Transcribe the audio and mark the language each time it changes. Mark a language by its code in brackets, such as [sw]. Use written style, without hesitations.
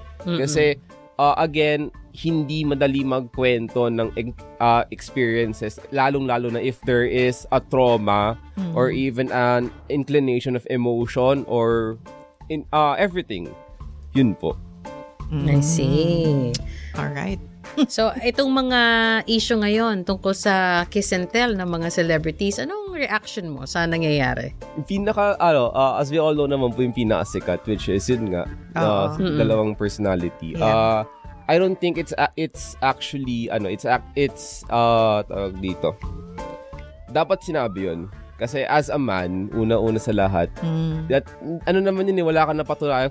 [tl] Kasi, [en] again, [tl] hindi madali magkwento ng [en] experiences, [tl] lalong-lalo na [en] if there is a trauma or even an inclination of emotion or in everything. [tl] Yun po. [en] I see. Alright. [tl] So, itong mga issue ngayon tungkol sa kiss and tell ng mga celebrities, anong reaction mo sa nangyayari? [en] As we all know [tl] naman po yung pinakasikat, [en] which is [tl] yun nga, dalawang personality. Yeah. [en] I don't think it's [tl] dapat sinabi yun. Kasi [en] as a man, [tl] una-una sa lahat, that ano naman yun, wala kang napatunayan.